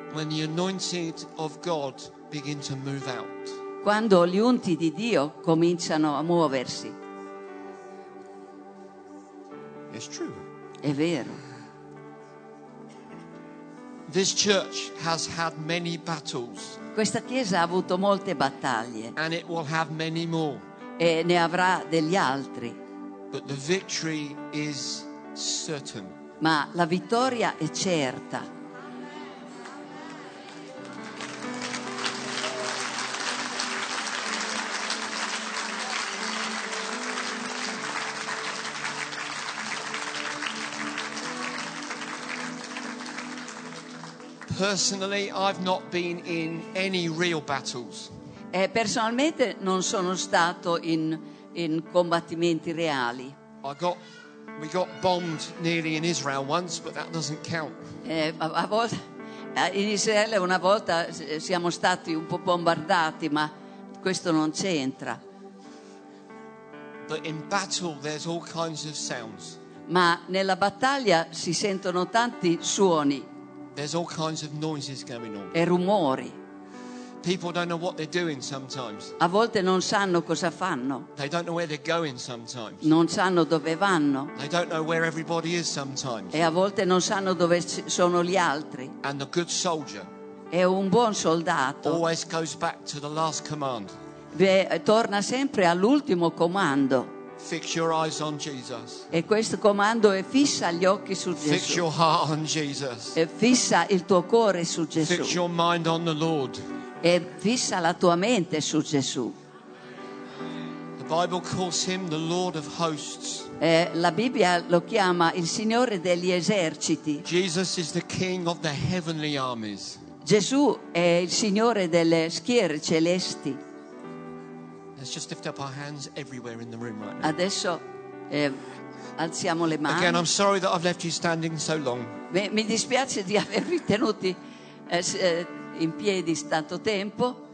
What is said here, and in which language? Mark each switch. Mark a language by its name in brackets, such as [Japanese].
[English] When the anointed of God begin to move out. [Italian] Quando gli unti di Dio cominciano a muoversi. [English] It's true. [Italian] È vero. [English] This church has had many battles. [Italian] Questa chiesa ha avuto molte battaglie. [English] And it will have many more. [Italian] E ne avrà degli altri. [English] But the victory is certain. [Italian] Ma la vittoria è certa. [English] Personally, I've not been in any real battles. [Italian] Personalmente non sono stato in combattimenti reali. [English] We got bombed nearly in Israel once, but that doesn't count. [Italian] In Israele una volta siamo stati un po' bombardati, ma questo non c'entra. [English] But in battle there's all kinds of sounds. [Italian] Ma nella battaglia si sentono tanti suoni. [English] There's all kinds of noises going on. [Italian] E rumori. [English] People don't know what they're doing sometimes. [Italian] A volte non sanno cosa fanno. [English] They don't know where they're going sometimes. [Italian] Non sanno dove vanno. [English] They don't know where everybody is sometimes. [Italian] E a volte non sanno dove sono gli altri. [English] And the good soldier. [Italian] E un buon soldato. [English] Always goes back to the last command. [Italian] Torna sempre all'ultimo comando. [English] Fix your eyes on Jesus. [Italian] E questo comando è fissa gli occhi su Gesù. [English] Fix your heart on Jesus. [Italian] E fissa il tuo cuore su Gesù. [English] Fix your mind on the Lord. [Italian] E fissa la tua mente su Gesù. [English] The Bible calls him the Lord of hosts. [Italian] La Bibbia lo chiama il Signore degli eserciti. [English] Jesus is the King of the heavenly armies. [Italian] Gesù è il Signore delle schiere celesti. [English] Let's just lift up our hands everywhere in the room right now. [Italian] Adesso alziamo le mani. [English] Again, I'm sorry that I've left you standing so long. [Italian] Mi dispiace di avervi tenuti in piedi tanto tempo.